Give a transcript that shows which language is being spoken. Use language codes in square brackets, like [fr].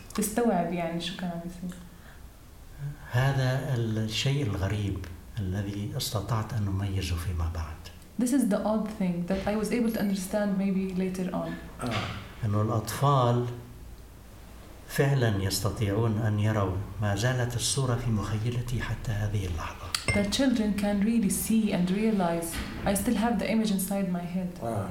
[ar] تستوعب يعني شو كان عم يصير؟ هذا الشيء الغريب الذي استطعت أن أميزه فيما بعد. [en] This is the odd thing that I was able to understand maybe later on. [ar] إنه الأطفال فعلا يستطيعون أن يروا ما زالت الصورة في مخيلتي حتى هذه اللحظة. [en] The children can really see and realize. I still have the image inside my head.